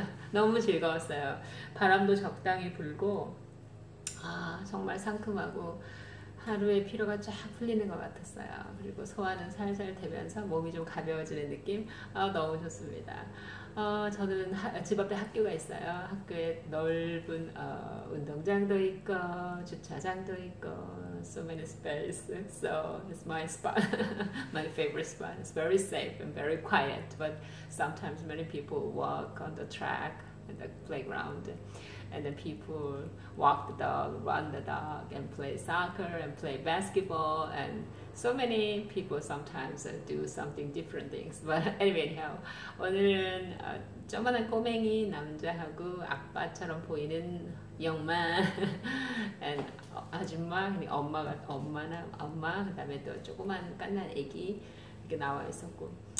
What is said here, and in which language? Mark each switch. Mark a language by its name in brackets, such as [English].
[Korean] 너무 즐거웠어요. 바람도 적당히 불고 정말 상큼하고 하루의 피로가 쫙 풀리는 것 같았어요. 그리고 소화는 살살 되면서 몸이 좀 가벼워지는 느낌. 너무 좋습니다. 저는 집 앞에 학교가 있어요. 학교에 넓은 운동장도 있고 주차장도 있고 [English] so many space. So it's my spot, my favorite spot. It's very safe and very quiet. But sometimes many people walk on the track and the playground, and then people walk the dog, run the dog, and play soccer and play basketball. And so many people sometimes do something different things. But anyway, [Korean] 오늘은 조그만한 꼬맹이 남자하고 아빠처럼 보이는 영만 [English] and [Korean] 아줌마, 엄마가 엄마나 엄마, 그다음에 또 조그만 갓난 아기 이렇게 나와 있었고